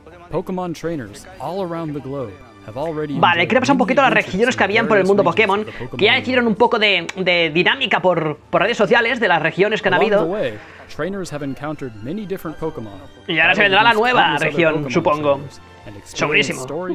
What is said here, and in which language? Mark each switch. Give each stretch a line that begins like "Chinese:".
English: Pokémon trainers all around the globe have already.
Spanish: Vale, quiero pasar un poquito a las regiones que habían por el mundo Pokémon, que ya hicieron un poco de dinámica por redes sociales de las regiones que han habido.
English: Trainers have encountered many different Pokémon.
Spanish: Y ahora se vendrá la nueva región, supongo. Segurísimo.